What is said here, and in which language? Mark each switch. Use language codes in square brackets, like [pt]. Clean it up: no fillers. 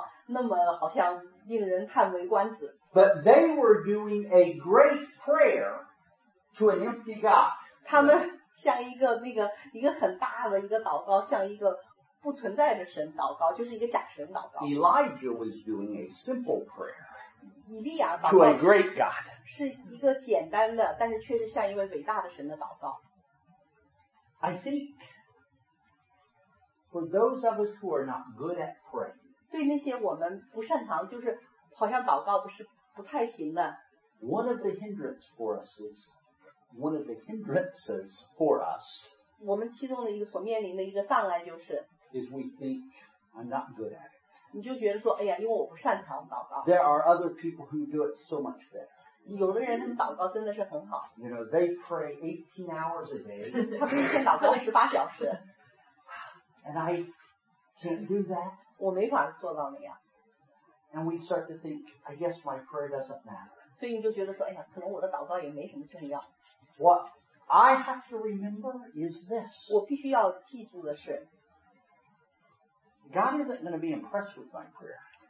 [zh] 然后那以利亚的祷告可是不像那个巴利先知的祷告那么好像令人叹为观止 [en] But they were doing a great prayer to an empty God [zh] 他们像一个很大的一个祷告，像一个不存在的神祷告，就是一个假神祷告。 [en] Elijah was doing a simple prayer [zh] 以利亚祷告, [en] to a great God. [zh] 是一个简单的，但是却是像一位伟大的神的祷告。 [en] I think for those of us who are not good at praying, [zh] 对那些我们不擅长，就是好像祷告不是不太行的。 [en] One of the hindrances for us is. One of the hindrances for us is we think I'm not good at it. [zh] 你就觉得说, [en] there are other people who do it so much better. [zh] 有的人祷告真的是很好。 [en] You know, they pray 18 hours a day. [zh] 他们一天祷告18小时。 [en] And I can't do that. [zh] 我没法做到那样。 [en] And we start to think, I guess my prayer doesn't matter. [zh] 所以你就觉得说，哎呀，可能我的祷告也没什么重要。 [en] What I have to remember is this. [zh] 我必须要记住的是, [en] God isn't going to be impressed with my prayer.